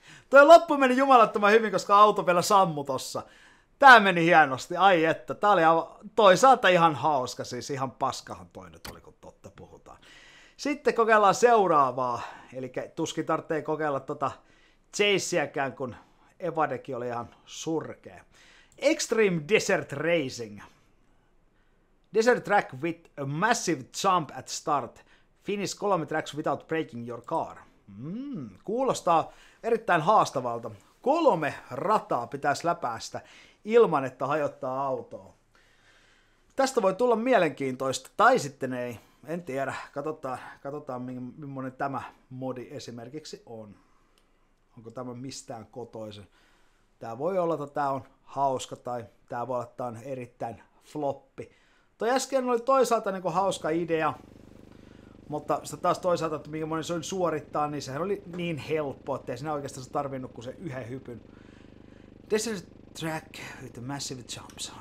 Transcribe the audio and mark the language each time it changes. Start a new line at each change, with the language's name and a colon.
Finnish: Toi loppu meni jumalattoman hyvin, koska auto vielä sammui tossa. Tää meni hienosti. Ai että. Tää oli toisaalta ihan hauska. Siis ihan paskahan toi nyt oli, kun totta puhutaan. Sitten kokeillaan seuraavaa, eli tuskin tarvitsee kokeilla tota Chaseäkään, kun Evadekin oli ihan surkea.
English: Extreme Desert Racing. Desert track with a massive jump at start. Finish 3 tracks without breaking your car.
Finnish: Kuulostaa erittäin haastavalta. 3 rataa pitäisi läpäästä ilman, että hajottaa autoa. Tästä voi tulla mielenkiintoista, tai sitten ei. En tiedä. Katsotaan, millainen tämä modi esimerkiksi on. Onko tämä mistään kotoisen? Tämä voi olla, että tämä on hauska, tai tämä voi olla, että tämä on erittäin floppi. Toi äsken oli toisaalta niin kuin hauska idea, mutta sitten taas toisaalta, että millainen se oli suorittaa, niin sehän oli niin helppo, että ei siinä oikeastaan tarvinnut kuin se yhden hypyn.
English: Desert track with massive jumps.